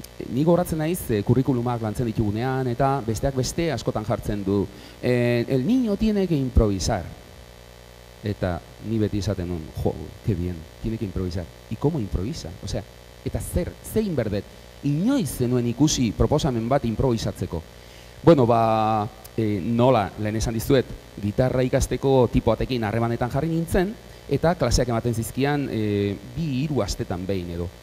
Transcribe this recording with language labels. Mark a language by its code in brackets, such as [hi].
[eu] Ni gogoratzen naiz kurrikulumak lantzen ditugunean eta besteak beste askotan jartzen du. [es] El niño tiene que improvisar. [eu] Eta ni beti esaten nun, jo, [es] qué bien, tiene que improvisar. ¿Y cómo improvisa? [eu] O sea, eta zer, zein berdet, inoiz zenuen ikusi proposamen bat improvisatzeko. Bueno, ba, nola, lehen esan dizuet, gitarra ikasteko tipo batekin harremanetan jarri nintzen, eta klaseak ematen zizkian bi hiru astetan behin edo.